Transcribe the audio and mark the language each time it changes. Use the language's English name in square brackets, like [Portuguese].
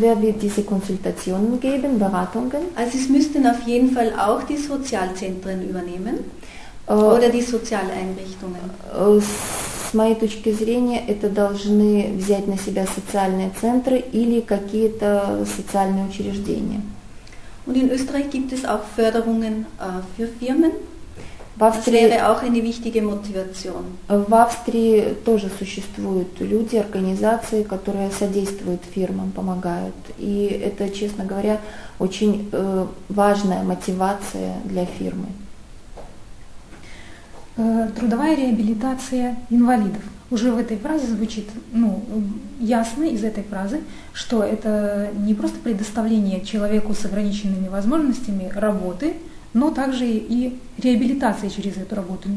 [German] wer wird diese Konsultationen geben, Beratungen? Also es müssten auf jeden Fall auch die Sozialzentren übernehmen oder die Sozialeinrichtungen. [Russian] С моей точки зрения, это должны взять на себя социальные центры или какие-то социальные учреждения. [German] Und in Österreich gibt es auch Förderungen für Firmen. Das wäre auch eine wichtige Motivation. [Russian] В Австрии тоже существуют люди, организации, которые содействуют фирмам, помогают. И это, честно говоря, очень важная мотивация для фирмы. Трудовая реабилитация инвалидов. Уже в этой фразе звучит, ну, ясно из этой фразы, что это не просто предоставление человеку с ограниченными возможностями работы, но также и реабилитация через эту работу.